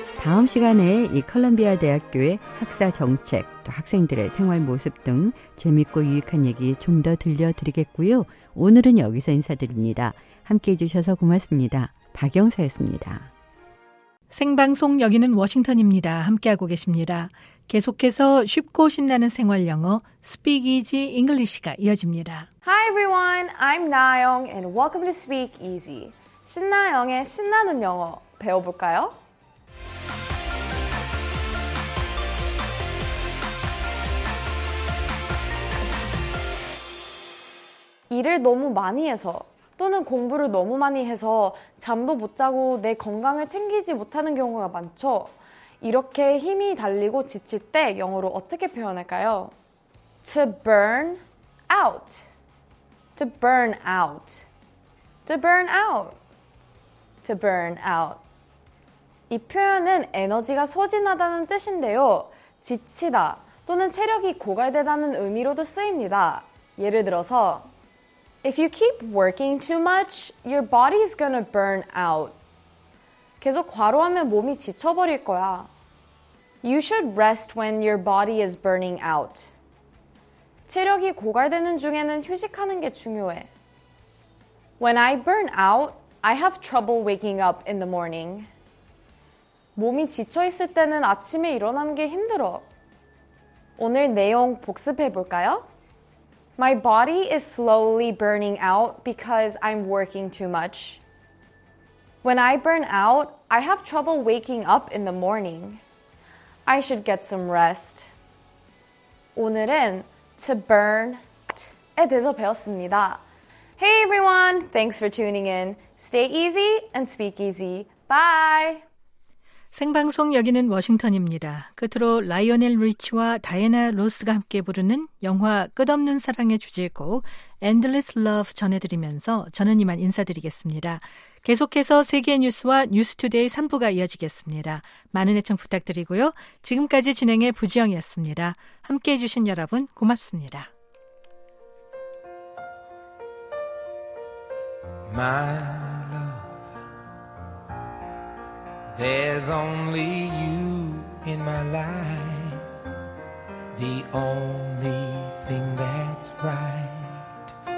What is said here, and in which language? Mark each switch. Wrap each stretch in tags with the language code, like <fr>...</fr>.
<ko>다음 시간에 이 컬럼비아 대학교의 학사 정책, 또 학생들의 생활 모습 등 재밌고 유익한 얘기 좀 더 들려드리겠고요. 오늘은 여기서 인사드립니다. 함께 해주셔서 고맙습니다. 박영사였습니다. 생방송 여기는 워싱턴입니다. 함께하고 계십니다. 계속해서 쉽고 신나는 생활 영어 Speak Easy English가 이어집니다.</ko> <en>Hi everyone, I'm Nayoung and welcome to Speak Easy.</en> <ko>신나영의 신나는 영어 배워볼까요? 일을 너무 많이 해서 또는 공부를 너무 많이 해서 잠도 못 자고 내 건강을 챙기지 못하는 경우가 많죠. 이렇게 힘이 달리고 지칠 때 영어로 어떻게 표현할까요?</ko> <en>To burn out. To burn out. To burn out. To burn out.</en> <ko>이 표현은 에너지가 소진하다는 뜻인데요. 지치다 또는 체력이 고갈되다는 의미로도 쓰입니다. 예를 들어서</ko> <en>If you keep working too much, your body is gonna burn out.</en> <ko>계속 과로하면 몸이 지쳐버릴 거야.</ko> <en>You should rest when your body is burning out.</en> <ko>체력이 고갈되는 중에는 휴식하는 게 중요해.</ko> <en>When I burn out, I have trouble waking up in the morning.</en> <ko>몸이 지쳐 있을 때는 아침에 일어나는 게 힘들어. 오늘 내용 복습해 볼까요?</ko> <en>My body is slowly burning out because I'm working too much. When I burn out, I have trouble waking up in the morning. I should get some rest.</en> <ko>오늘은 to burn out에 대해서 배웠습니다.</ko> <en>Hey everyone, thanks for tuning in. Stay easy and speak easy. Bye!</en> <ko>생방송 여기는 워싱턴입니다. 끝으로 라이오넬 리치와 다이애나 로스가 함께 부르는 영화 끝없는 사랑의 주제곡 Endless Love 전해드리면서 저는 이만 인사드리겠습니다. 계속해서 세계 뉴스와 뉴스투데이 3부가 이어지겠습니다. 많은 애청 부탁드리고요. 지금까지 진행의 부지영이었습니다. 함께해 주신 여러분 고맙습니다.</ko> <en>My There's only you in my life, the only thing that's right.</en>